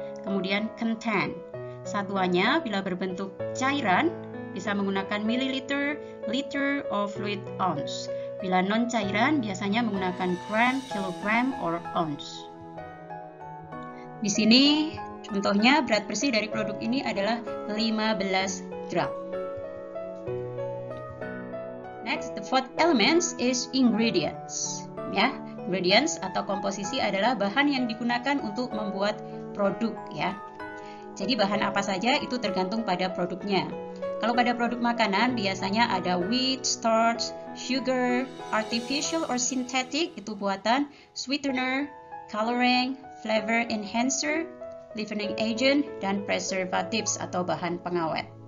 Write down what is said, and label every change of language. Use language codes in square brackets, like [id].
[id] Kemudian content. Satuannya bila berbentuk cairan, bisa menggunakan mililiter, liter, or fluid ounce. Bila non-cairan, biasanya menggunakan gram, kilogram, or ounce. Di sini, contohnya berat bersih dari produk ini adalah 15 gram. [en] Next, the fourth element is ingredients. [id] Ya, ingredients atau komposisi adalah bahan yang digunakan untuk membuat produk. Ya. Jadi, bahan apa saja itu tergantung pada produknya. Kalau pada produk makanan, biasanya ada wheat, starch, sugar, artificial or synthetic, itu buatan, sweetener, coloring, flavor enhancer, leavening agent, dan preservatives atau bahan pengawet.